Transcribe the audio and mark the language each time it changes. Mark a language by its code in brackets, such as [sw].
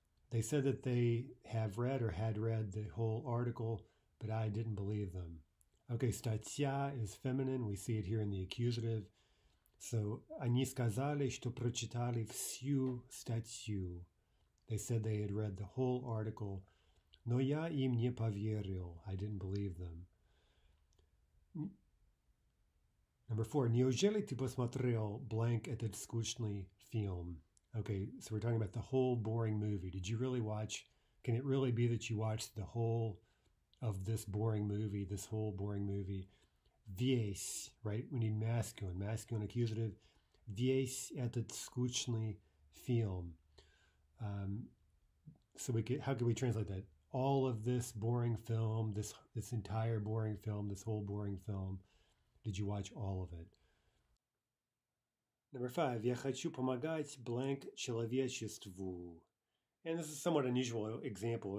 [en] They said that they have read or had read the whole article, but I didn't believe them. Okay, статья is feminine. We see it here in the accusative. [ru] So, они сказали, что прочитали всю статью. [en] They said they had read the whole article, [ru] но я им не поверил. [en] I didn't believe them. Number four, [ru] неужели ты посмотрел blank этот скучный фильм? [en] Okay, so we're talking about the whole boring movie. Did you really watch? Can it really be that you watched the whole of this boring movie, this whole boring movie? Весь, right? We need masculine accusative. [ru] Весь этот скучный фильм. [en] So how can we translate that? All of this boring film, this entire boring film, this whole boring film. Did you watch all of it? Number five, [ru] я хочу помогать blank человечеству. [en] And this is a somewhat unusual example.